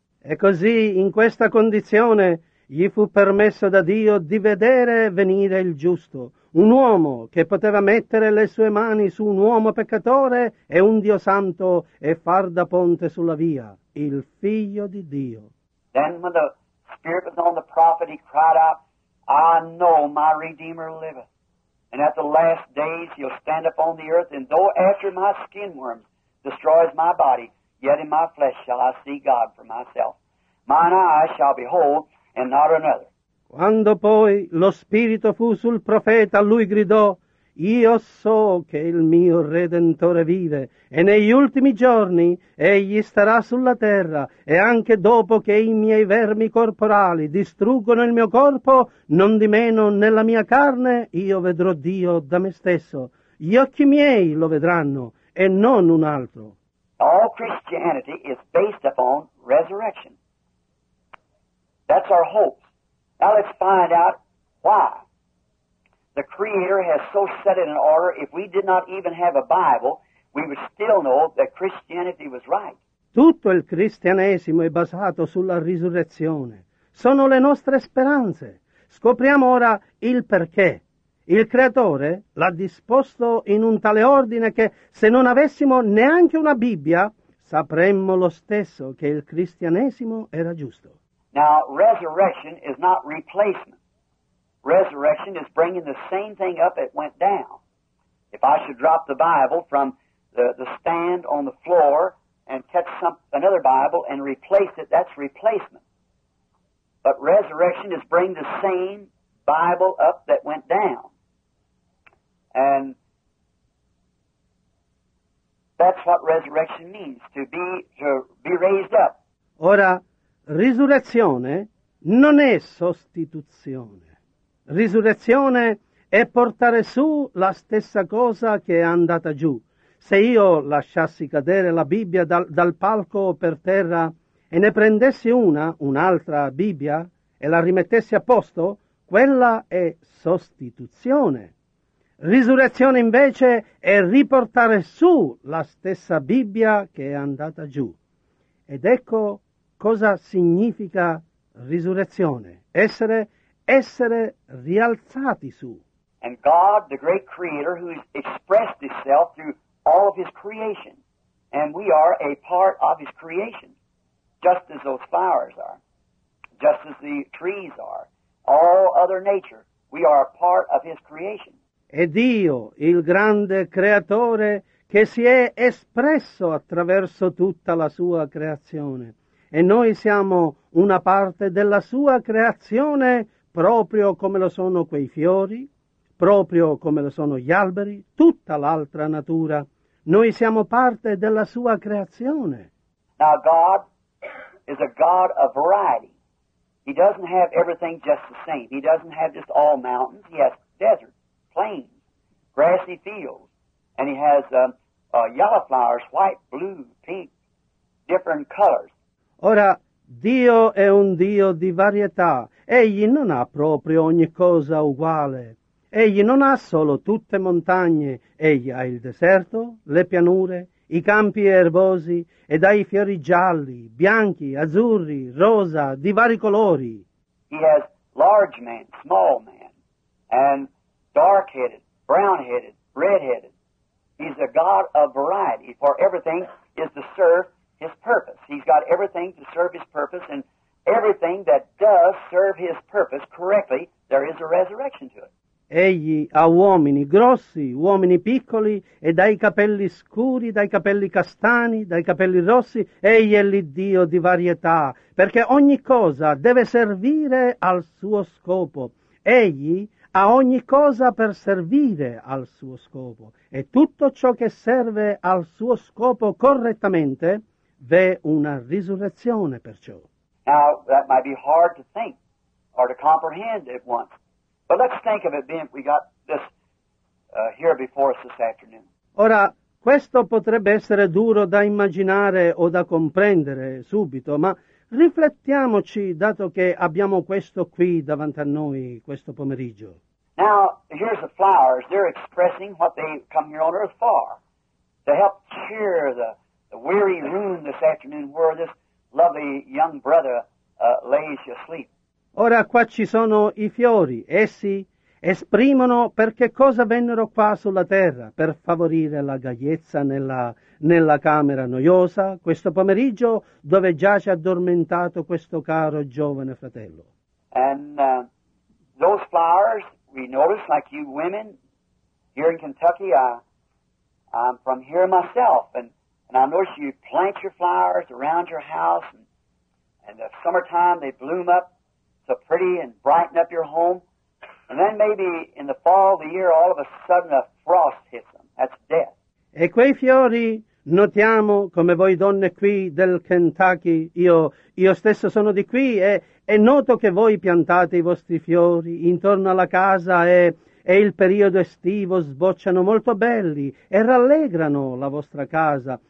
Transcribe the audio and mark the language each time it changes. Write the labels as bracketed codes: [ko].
[it] E così, in questa condizione, gli fu permesso da Dio di vedere venire il giusto, un uomo che poteva mettere le sue mani su un uomo peccatore e un Dio santo e far da ponte sulla via, il Figlio di Dio. [en] Then when the Spirit was on the prophet, he cried out, I know my Redeemer liveth, and at the last days he'll stand up on the earth, and though after my skin worms destroys my body, yet in my flesh shall I see God for myself. Mine eyes shall behold, and not another. [it] Quando poi lo Spirito fu sul profeta, lui gridò, io so che il mio Redentore vive, e negli ultimi giorni egli starà sulla terra, e anche dopo che i miei vermi corporali distruggono il mio corpo, non di meno nella mia carne io vedrò Dio da me stesso. Gli occhi miei lo vedranno, e non un altro. [en] All Christianity is based upon resurrection. That's our hope. Now let's find out why. The Creator has so set it in order, if we did not even have a Bible, we would still know that Christianity was right. [it] Tutto il cristianesimo è basato sulla risurrezione. Sono le nostre speranze. Scopriamo ora il perché. Il Creatore l'ha disposto in un tale ordine che, se non avessimo neanche una Bibbia, sapremmo lo stesso che il cristianesimo era giusto. [en] Now, resurrection is not replacement. Resurrection is bringing the same thing up that went down. If I should drop the Bible from the stand on the floor and catch another Bible and replace it, that's replacement. But resurrection is bringing the same Bible up that went down. And that's what resurrection means, to be raised up. [it] Ora, risurrezione non è sostituzione. Risurrezione è portare su la stessa cosa che è andata giù. Se io lasciassi cadere la Bibbia dal palco per terra e ne prendessi un'altra Bibbia, e la rimettessi a posto, quella è sostituzione. Risurrezione invece è riportare su la stessa Bibbia che è andata giù. Ed ecco cosa significa risurrezione. Essere rialzati su. [en] And God, the great creator, who has expressed himself through all of his creation, and we are a part of his creation, just as those flowers are, just as the trees are, all other nature, we are a part of his creation. [it] E Dio, il grande creatore, che si è espresso attraverso tutta la sua creazione. E noi siamo una parte della sua creazione, proprio come lo sono quei fiori, proprio come lo sono gli alberi, tutta l'altra natura. Noi siamo parte della sua creazione. [en] Now God is a God of variety. He doesn't have everything just the same. He doesn't have just all mountains. He has deserts, plains, grassy fields, and he has yellow flowers, white, blue, pink, different colors. [it] Ora, Dio è un Dio di varietà. Egli non ha proprio ogni cosa uguale. Egli non ha solo tutte montagne. Egli ha il deserto, le pianure, i campi erbosi, ed ha i fiori gialli, bianchi, azzurri, rosa, di vari colori. [en] He has large man, small man, and dark-headed, brown-headed, red-headed. He's a God of variety, for everything is to serve his purpose. He's got everything to serve his purpose, and everything that does serve his purpose correctly, there is a resurrection to it. [it] Egli ha uomini grossi, uomini piccoli, e dai capelli scuri, dai capelli castani, dai capelli rossi, egli è l'Iddio di varietà, perché ogni cosa deve servire al suo scopo. Egli ha ogni cosa per servire al suo scopo, e tutto ciò che serve al suo scopo correttamente, v'è una risurrezione perciò. [en] Now, that might be hard to think or to comprehend at once. But let's think of it, Ben, we got this here before us this afternoon. [it] Ora, questo potrebbe essere duro da immaginare o da comprendere subito, ma riflettiamoci, dato che abbiamo questo qui davanti a noi questo pomeriggio. [en] Now, here's the flowers. They're expressing what they come here on earth for, to help cheer the weary room this afternoon where this lovely young brother lays asleep. [it] Ora qua ci sono i fiori, essi esprimono perché cosa vennero qua sulla terra, per favorire la gaiezza nella camera noiosa, questo pomeriggio dove giace addormentato questo caro giovane fratello. [en] And those flowers, we notice, like you women, here in Kentucky, I'm from here myself, and I notice you plant your flowers around your house, and in the summertime they bloom up, so pretty, and brighten up your home. And then maybe in the fall of the year, all of a sudden a frost hits them. That's death. [it] E quei fiori, notiamo, come voi donne qui del Kentucky, io stesso sono di qui, e noto che voi piantate i vostri fiori intorno alla casa, e il periodo estivo sbocciano molto belli e rallegrano la vostra casa.